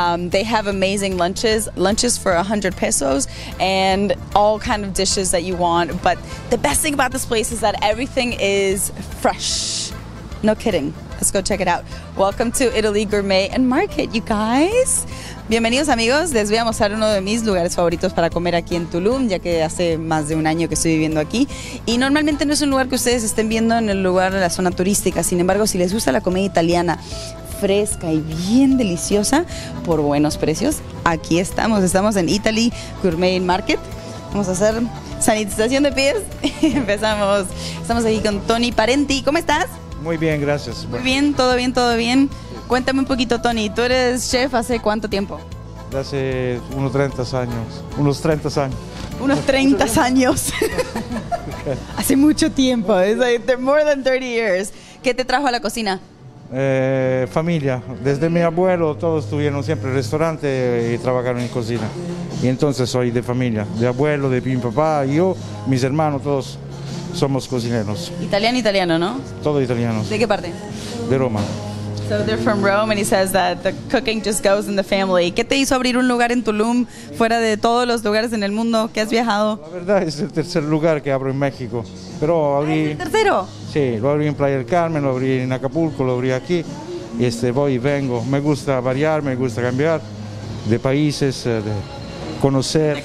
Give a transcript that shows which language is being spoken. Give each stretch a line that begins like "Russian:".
English: They have amazing lunches for 100 pesos and all kind of dishes that you want, but the best thing about this place is that everything is fresh. No kidding. Let's go check it out. Welcome to Italy Gourmet and Market, you guys.
Spanish: Bienvenidos amigos, les voy a mostrar uno de mis lugares favoritos para comer aquí en Tulum, ya que hace más de un año que estoy viviendo aquí. Y normalmente no es un lugar que ustedes estén viendo en el lugar de la zona turística, sin embargo, si les gusta la comida italiana fresca y bien deliciosa, por buenos precios, aquí estamos. Estamos en Italy Gourmet Market. Vamos a hacer sanitización de pies y empezamos. Estamos aquí con Tony Parenti. ¿Cómo estás? Muy bien, gracias. Muy bien, todo bien, todo bien. Cuéntame un poquito, Tony, ¿tú eres chef hace cuánto tiempo? Hace unos 30 años. Unos 30 años. Okay. Hace mucho tiempo. Es
English: like more than 30 years.
Spanish: ¿Qué te trajo a la cocina? Familia. Desde mi abuelo, todos tuvieron siempre el restaurante y trabajaron en cocina. Y entonces soy de familia, de abuelo, de mi papá, yo, mis hermanos, todos somos cocineros. Italiano, italiano, ¿no? Todo italiano. ¿De qué parte? De Roma.
English: So they're from Rome, and he says that the cooking just goes in the family.
Spanish: ¿Qué te hizo abrir un lugar en Tulum, fuera de todos los lugares en el mundo que has viajado? La verdad es el tercer lugar que abro en México, pero abrí. ¿Es el tercero? Sí, lo abrí en Playa del Carmen, lo abrí en Acapulco, lo abrí aquí, y voy y vengo. Me gusta variar, me gusta cambiar de países, de conocer.